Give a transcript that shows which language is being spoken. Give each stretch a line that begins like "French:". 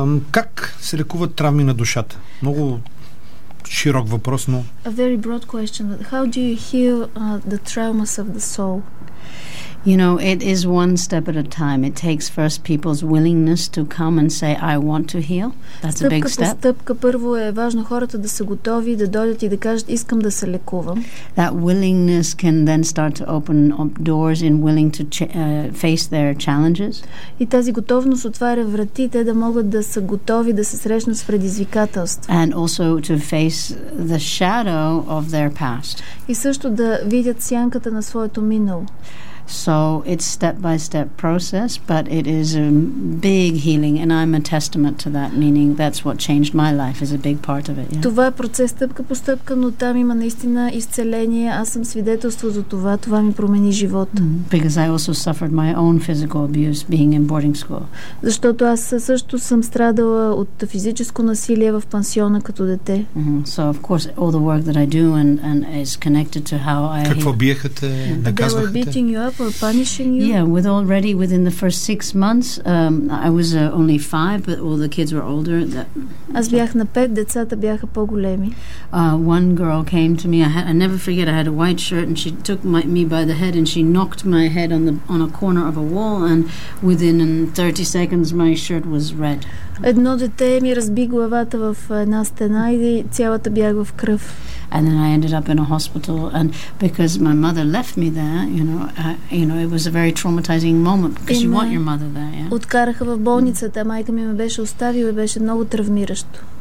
Bulgarian: Как се лекуват травми на душата? Много широк въпрос, но...
English: A very broad question. How do you heal the traumas of the soul? You know, it is one step at a time. It takes first people's willingness to come and say, I want to heal. That's a big step.
Bulgarian: Стъпка, първо е важно хората да са готови, да дойдат и да кажат, искам да се лекувам.
English: That willingness can then start to open up doors in willing to face their challenges.
Bulgarian: И тази готовност отваря врати, те да могат да са готови да се срещнат с предизвикателство.
English: And also to face the shadow of their past.
Bulgarian: И също да видят сянката на своето минало.
English: So it's step by step process, but it is a big healing and I'm a testament to that, meaning that's what changed my life is a big part of it. Yeah?
Bulgarian: Това е процес стъпка по стъпка, но там има наистина изцеление. Аз съм свидетелство за това. Това ми промени живота.
English: Because I also suffered my own physical abuse being in boarding school.
Bulgarian: Защото аз също съм страдала от физическо насилие в пансиона като дете.
English: So of course all the work that I do and is connected to how I
Bulgarian: Какво биехате, наказвахте?
English: They were beating you up. for punishing you? Yeah, with already within the first 6 months, I was only five, but all the kids were older.
Bulgarian: Аз бях на пет, децата бяха по-големи.
English: One girl came to me. I never forget. I had a white shirt, and she took me by the head, and she knocked my head on a corner of a wall, and within 30 seconds, my shirt was red.
Bulgarian: Едно дете ми разби главата в една стена и цялата бях в кръв.
English: And then I ended up in a hospital, and because my mother left me there, you know, it was a very traumatizing moment because you want your mother there. Yeah?
Bulgarian: Откараха в болницата, майка ми ме беше оставила, беше много травмиращо.